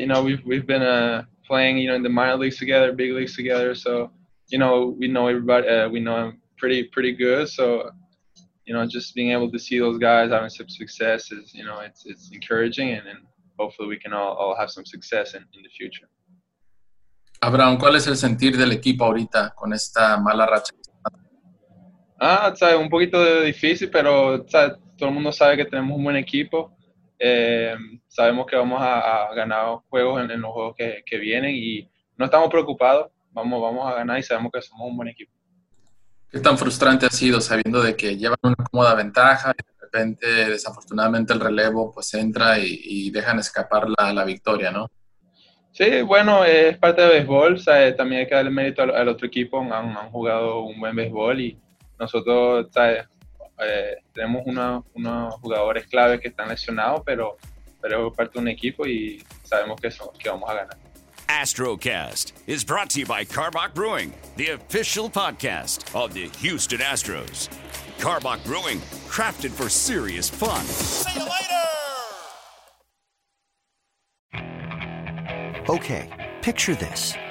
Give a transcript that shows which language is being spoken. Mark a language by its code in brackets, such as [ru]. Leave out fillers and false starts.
[en] You know, we've been playing, you know, in the minor leagues together, big leagues together. So, you know, we know everybody. We know him pretty good. So, you know, just being able to see those guys having some success is, you know, it's encouraging. And hopefully we can all have some success in the future. [es] Abraham, ¿cuál es el sentir del equipo ahorita con esta mala racha? Ah, está un poquito difícil, pero todo el mundo sabe que tenemos un buen equipo. Sabemos que vamos a ganar juegos en los juegos que vienen y no estamos preocupados. Vamos a ganar y sabemos que somos un buen equipo. ¿Qué tan frustrante ha sido sabiendo de que llevan una cómoda ventaja? De repente, desafortunadamente, el relevo pues entra y dejan escapar la victoria, ¿no? Sí, bueno, es parte de béisbol. O sea, también hay que darle mérito al otro equipo. Han jugado un buen béisbol y nosotros, ¿sabes? Tenemos unos jugadores clave que están lesionados, pero es parte de un equipo y sabemos que vamos a ganar. [en] AstroCast is brought to you by Carbach Brewing, the official podcast of the Houston Astros. Carbach Brewing, crafted for serious fun. See you later! Okay, picture this.